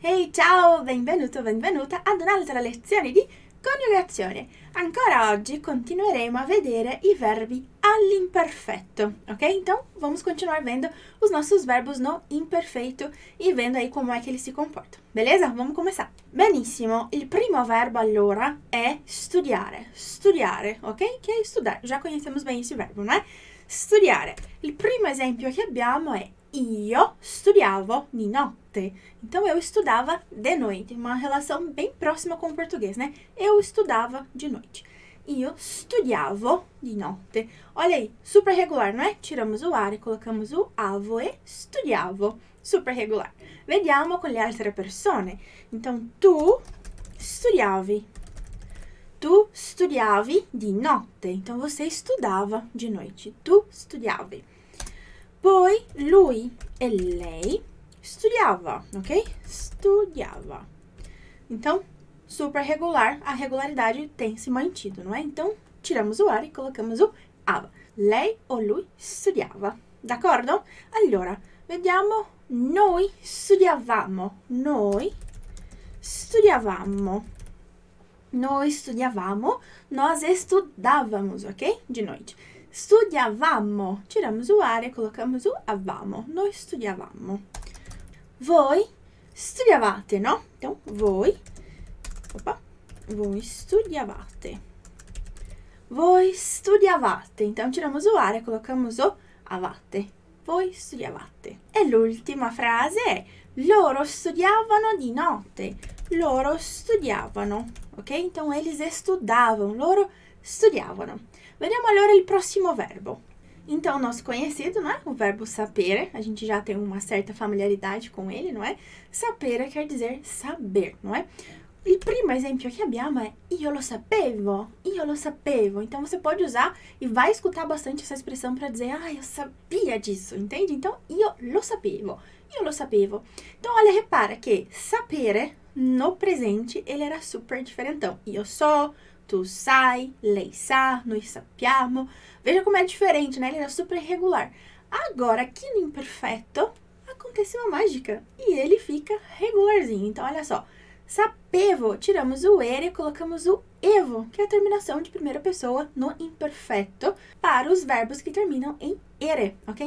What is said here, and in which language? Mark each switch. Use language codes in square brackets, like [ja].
[it] Ciao, benvenuto, benvenuta ad un'altra lezione di coniugazione. Ancora oggi continueremo a vedere i verbi all'imperfetto, ok? [pt] Então, vamos continuar vendo os nossos verbos no imperfeito e vendo aí como é que eles se comportam, beleza? Vamos começar. [it] Benissimo, il primo verbo allora è studiare. Studiare, ok? Che è studiare? Già conosciamo bene questo verbo, né? Studiare. Il primo esempio che abbiamo è io studiavo di notte. [pt] Então eu estudava de noite. Uma relação bem próxima com o português, né? Eu estudava de noite. [it] Io studiavo di notte. [pt] Olha aí, super regular, não é? Tiramos o ar e colocamos o avo e studiavo. Super regular. [it] Vediamo con le altre persone. Então tu studiavi. Tu studiavi di notte. [pt] Então você estudava de noite. [it] Tu studiavi. Poi lui e lei studiava, ok? Studiava. [pt] Então, super regular, a regularidade tem se mantido, não é? Então, tiramos o ar e colocamos o ava. [it] Lei o lui studiava, d'accordo? Allora, vediamo. Noi studiavamo. Noi studiavamo. Noi studiavamo. [pt] Nós estudávamos, ok? De noite. Studiavamo, tiramos o ar e colocamos o avamo. [it] Noi studiavamo. Voi studiavate, no? Então, voi, opa, voi studiavate. Voi studiavate. [pt] Então, tiramos o ar e colocamos o avate. [it] Voi studiavate. E l'ultima frase è loro studiavano di notte. Loro studiavano, ok? [pt] Então, eles estudavam, [it] loro studiavano. Vediamo allora il prossimo verbo. [pt] Então, nosso conhecido, não é? O verbo sapere, a gente já tem uma certa familiaridade com ele, não é? Sapere quer dizer saber, não é? [it] Il primo esempio che abbiamo è io lo sapevo, io lo sapevo. [pt] Então, você pode usar e vai escutar bastante essa expressão para dizer, ah, eu sabia disso, entende? [it] Então, io lo sapevo, io lo sapevo. [pt] Então, olha, repara que sapere no presente ele era super diferentão. [it] Io so. Tu sai, lei sa, noi sappiamo. [pt] Veja como é diferente, né? Ele era super irregular. Agora, aqui no imperfeito, acontece uma mágica e ele fica regularzinho. Então, olha só. Sapevo, tiramos o ere e colocamos o evo, que é a terminação de primeira pessoa no imperfeito, para os verbos que terminam em ere, ok?